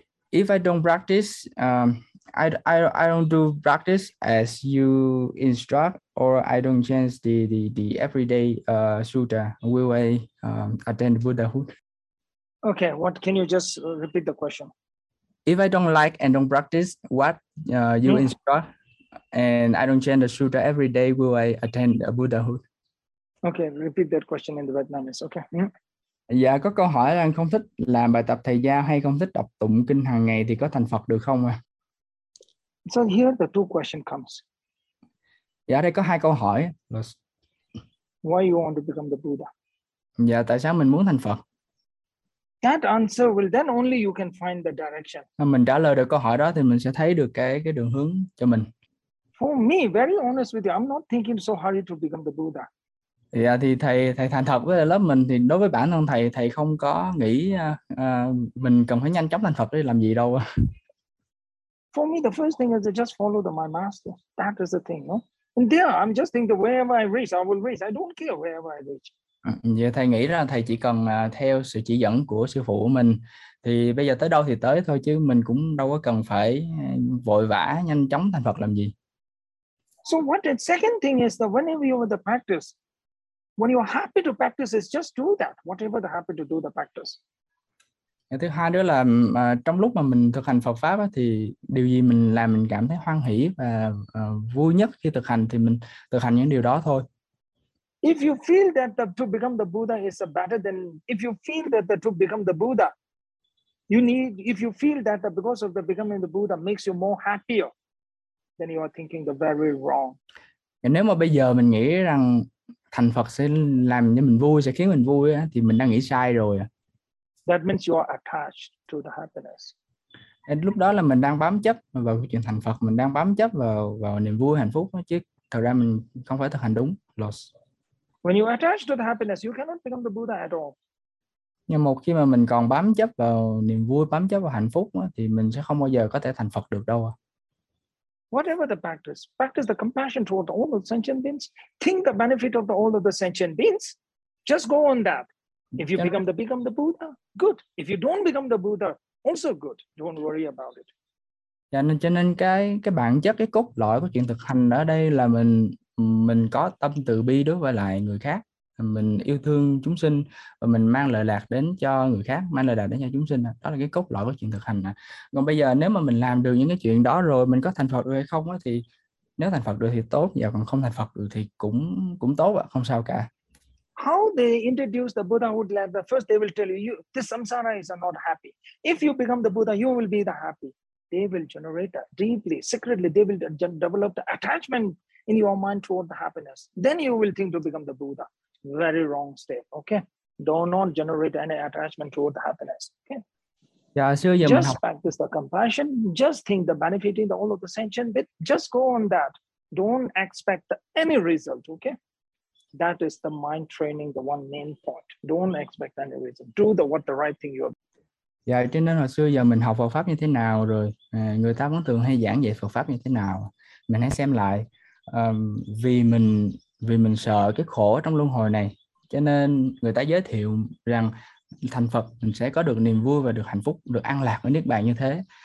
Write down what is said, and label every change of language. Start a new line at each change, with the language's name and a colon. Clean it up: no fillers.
English: If I don't practice, I don't do practice as you instruct, or I don't change the everyday sutta, will I attend Buddhahood? Okay, what can you just repeat the question? If I don't like and don't practice what you instruct, and I don't change the sutta every day, will I attend a Buddhahood? Okay, repeat that question in the Vietnamese. Okay.
Vietnamese: Dạ, có câu hỏi là không thích làm bài tập thầy giao hay không thích đọc tụng kinh hàng ngày thì có thành Phật được không ạ?
English: So here the two question comes.
Vietnamese: Dạ, đây có hai câu hỏi.
English: Why you want to become the Buddha?
Vietnamese: Dạ, tại sao mình muốn thành Phật?
English: That answer will then only you can find the direction.
Vietnamese: Mình trả lời được câu hỏi đó thì mình sẽ thấy được cái đường hướng cho mình.
English: For me, very honest with you, I'm not thinking so hard to become the Buddha.
Vietnamese: Dạ thì thầy thành thật với lớp mình, thì đối với bản thân thầy không có nghĩ mình cần phải nhanh chóng thành Phật để làm gì đâu.
English: For me, the first thing is to just follow my master. That is the thing, no? And there, I'm just thinking wherever I reach, I will reach. I don't care wherever I reach.
Vietnamese: Dạ, thầy nghĩ là thầy chỉ cần theo sự chỉ dẫn của sư phụ của mình, thì bây giờ tới đâu thì tới thôi, chứ mình cũng đâu có cần phải vội vã nhanh chóng thành Phật làm gì.
English: So what the second thing is that whenever you have the practice, when you are happy to practice, is just do that. Whatever the happy to do the practice.
Vietnamese: Thứ hai nữa là trong lúc mà mình thực hành Phật pháp á, thì điều gì mình làm mình cảm thấy hoan hỷ và vui nhất khi thực hành thì mình thực hành những điều đó thôi.
English: If you feel that to become the Buddha is better than, if you feel that to become the Buddha, you need, if you feel that because of the becoming the Buddha makes you more happier, then you are thinking the very wrong.
Vietnamese: Nếu mà bây giờ mình nghĩ rằng thành Phật sẽ làm cho mình vui, sẽ khiến mình vui á, thì mình đang nghĩ sai rồi.
English: That means you are attached to the happiness.
Vietnamese: And lúc đó là mình đang bám chấp vào chuyện thành Phật, mình đang bám chấp vào niềm vui hạnh phúc, chứ thật ra mình không phải thực hành đúng.
English: Lost. When you attach to the happiness, you cannot become the Buddha at all.
Vietnamese: Nhưng một khi mà mình còn bám chấp vào niềm vui, bám chấp vào hạnh phúc thì mình sẽ không bao giờ có thể thành Phật được đâu.
English: Whatever the practice, practice the compassion toward all of the sentient beings. Think the benefit of all of the sentient beings. Just go on that. If you become the Buddha, good. If you don't become the Buddha, also good. Don't worry about it.
Vietnamese: Cho nên cái bản chất, cái cốt lõi của chuyện thực hành ở đây là mình có tâm từ bi đối với lại người khác, mình yêu thương chúng sinh và mình mang lợi lạc đến cho người khác, mang lợi lạc đến cho chúng sinh. Đó là cái cốt lõi của chuyện thực hành. Còn bây giờ nếu mà mình làm được những cái chuyện đó rồi, mình có thành Phật được hay không á, thì nếu thành Phật được thì tốt, và còn không thành Phật được thì cũng tốt, không sao cả.
English: how they introduce the Buddha would like the first, they will tell you, this samsara is not happy. If you become the Buddha, you will be the happy. They will generate a deeply, secretly, they will develop the attachment in your mind toward the happiness. Then you will think to become the Buddha. Very wrong step. Okay. Do not generate any attachment toward the happiness. Okay. Yeah, so just practice the compassion. Just think the benefit in the all of the sentient bit. Just go on that. Don't expect any result. Okay. That is the mind training, the one main point. Don't expect any result. Do the right thing you are.
Vietnamese: Dạ, cho nên hồi xưa giờ mình học Phật Pháp như thế nào rồi, người ta cũng thường hay giảng về Phật Pháp như thế nào. Mình hãy xem lại, vì mình sợ cái khổ trong luân hồi này, cho nên người ta giới thiệu rằng thành Phật mình sẽ có được niềm vui và được hạnh phúc, được an lạc ở Niết Bàn như thế.